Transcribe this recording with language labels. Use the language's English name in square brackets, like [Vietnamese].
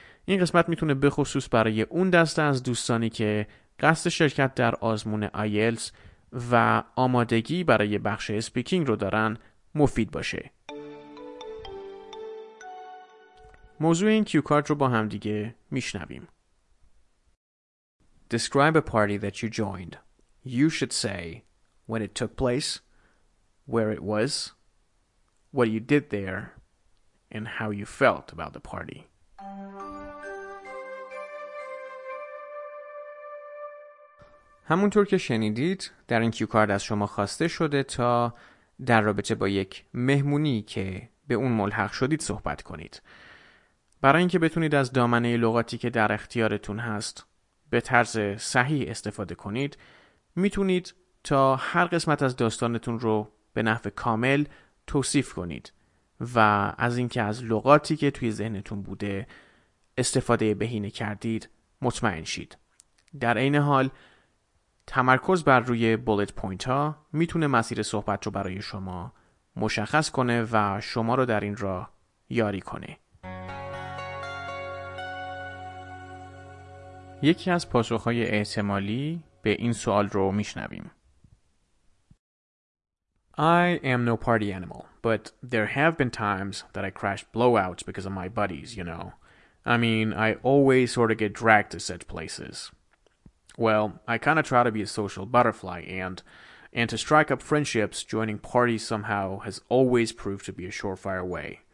[Persian] این قسمت میتونه به خصوص برای اون دسته از دوستانی که قصد شرکت در آزمون آیلتس و آمادگی برای بخش اسپیکینگ رو دارن مفید باشه. موضوع این کیوکارت رو با همدیگه میشنویم. [English] Describe a party that you joined. You should say when it took place, where it was, what you did there, and how you felt about the party. [Persian] همونطور که شنیدید، در این کیوکارد از شما خواسته شده تا در رابطه با یک مهمونی که به اون ملحق شدید صحبت کنید. برای اینکه بتونید از دامنه لغاتی که در اختیارتون هست به طرز صحیح استفاده کنید، میتونید تا هر قسمت از داستانتون رو به نحو کامل توصیف کنید و از اینکه از لغاتی که توی ذهنتون بوده استفاده بهینه کردید مطمئن شید. در این حال تمرکز بر روی بولت پوینت ها میتونه مسیر صحبت رو برای شما مشخص کنه و شما رو در این راه یاری کنه. یکی از پاسخهای احتمالی به این سوال رو میشنویم. [English] I am no party animal, but there have been times that I crashed blowouts because of my buddies, you know. I mean, I always sort of get dragged to such places. Well, I kind of try to be a social butterfly, and to strike up friendships, joining parties somehow has always proved to be a surefire way.